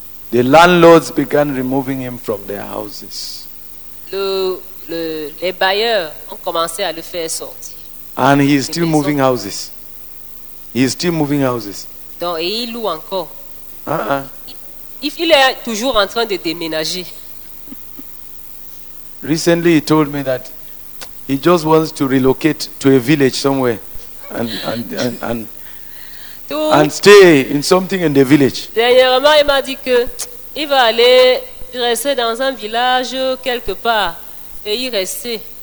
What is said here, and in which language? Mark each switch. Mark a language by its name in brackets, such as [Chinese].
[English] The landlords began removing him from their houses. [French] Les bailleurs ont commencé à le faire sortir. [English] And he is still moving houses. He is still moving houses. [French] Donc, et il loue encore. Uh-uh. Il est toujours en train de déménager. [English] Recently, he told me that he just wants to relocate to a village somewhere and stay in something in the village. [French] Dernièrement, il m'a dit que il va aller rester dans un village quelque part et y rester.